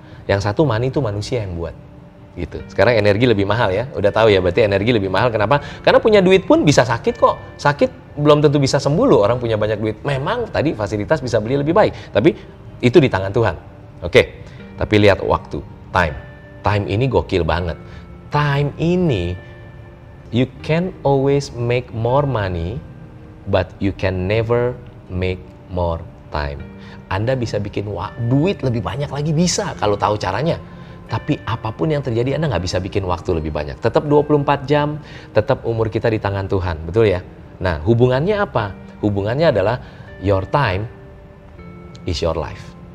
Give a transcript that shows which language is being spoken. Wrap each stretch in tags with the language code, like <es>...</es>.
<id>Yang satu money tuh manusia yang buat. Gitu. Sekarang energi lebih mahal ya, udah tahu ya berarti energi lebih mahal, kenapa? Karena punya duit pun bisa sakit kok, sakit belum tentu bisa sembuh loh orang punya banyak duit. Memang tadi fasilitas bisa beli lebih baik, tapi itu di tangan Tuhan. Oke, tapi lihat waktu, time. Time ini gokil banget.</id> <en>Time ini, you can always make more money, but you can never make more time.</en> <id>Anda bisa bikin duit lebih banyak lagi, bisa kalau tahu caranya. Tapi apapun yang terjadi, Anda nggak bisa bikin waktu lebih banyak. Tetap 24 jam, tetap umur kita di tangan Tuhan, betul ya? Nah, hubungannya apa? Hubungannya adalah</id> <en>your time is your life.</en>